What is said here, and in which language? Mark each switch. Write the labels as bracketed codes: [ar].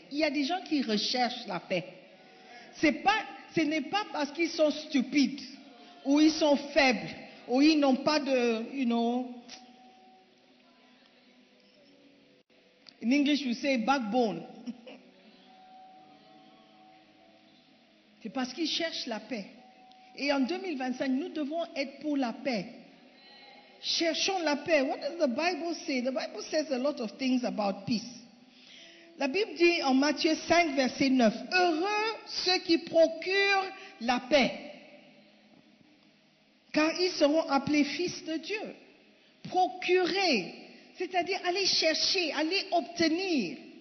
[fr] Il y a des gens qui recherchent la paix. Ce n'est pas parce qu'ils sont stupides ou ils sont faibles ou ils n'ont pas de, [en] you know, in English we say backbone. [fr] C'est parce qu'ils cherchent la paix. Et en 2025, nous devons être pour la paix. Cherchons la paix. [en] What does the Bible say? The Bible says a lot of things about peace. [fr] La Bible dit en Matthieu 5, verset 9: heureux ceux qui procurent la paix, car ils seront appelés fils de Dieu. Procurer, c'est-à-dire aller chercher, aller obtenir.